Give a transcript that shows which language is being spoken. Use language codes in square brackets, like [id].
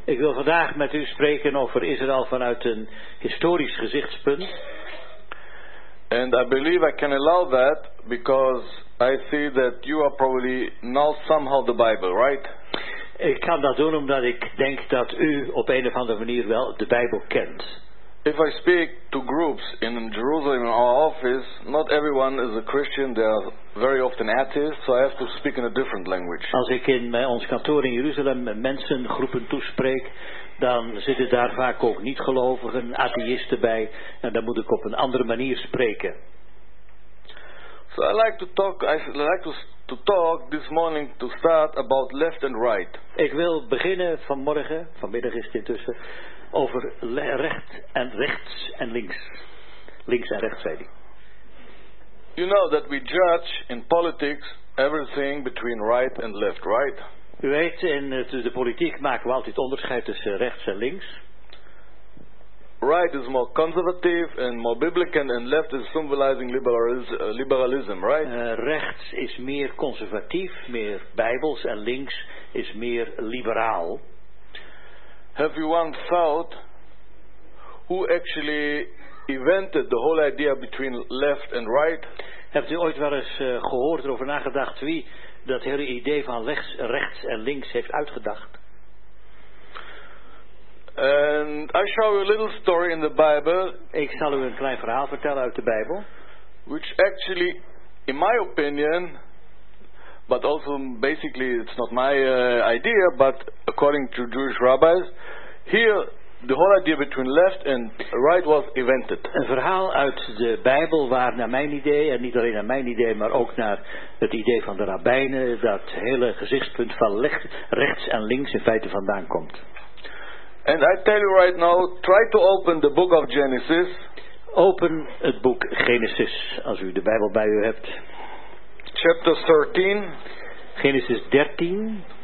[nl] Ik wil vandaag met u spreken over Israël vanuit een historisch gezichtspunt. [en] And I believe I can allow that because I see that you are probably now somehow the Bible, right? [nl] Ik kan dat doen omdat ik denk dat u op een of andere manier wel de Bijbel kent. [en] If I speak to groups in Jerusalem in our office, not everyone is a Christian, they are very often atheists, so I have to speak in a different language. [nl] Als ik in ons kantoor in Jeruzalem mensen, groepen toespreek, dan zitten daar vaak ook niet-gelovigen, atheïsten bij, en dan moet ik op een andere manier spreken. [en] So I like to talk this morning to start about left and right. [nl] Ik wil beginnen vanmorgen, vanmiddag is het intussen, over recht en rechts en links. Links en rechts, zei hij. [en] You know that we judge in politics everything between right and left, right? [nl] U weet, in de politiek maken we altijd onderscheid tussen rechts en links. [en] Right is more conservative and more biblical and left is symbolizing liberalism, right? [nl] Rechts is meer conservatief, meer bijbels, en links is meer liberaal. [en] Have you once thought who actually invented the whole idea between left and right? [nl] Hebt u ooit wel eens gehoord erover nagedacht wie dat hele idee van rechts en links heeft uitgedacht? [en] And I show you a little story in the Bible. [nl] Ik zal u een klein verhaal vertellen uit de Bijbel. [en] Which actually, in my opinion, but also basically it's not my idea, but according to Jewish rabbis, here the whole idea between left and right was invented. [nl] Een verhaal uit de Bijbel waar naar mijn idee, en niet alleen naar mijn idee, maar ook naar het idee van de rabbijnen, dat hele gezichtspunt van rechts en links in feite vandaan komt. [en] And I tell you right now, try to open the book of Genesis. [nl] Open het boek Genesis, als u de Bijbel bij u hebt. [en] Chapter 13. [nl] Genesis 13.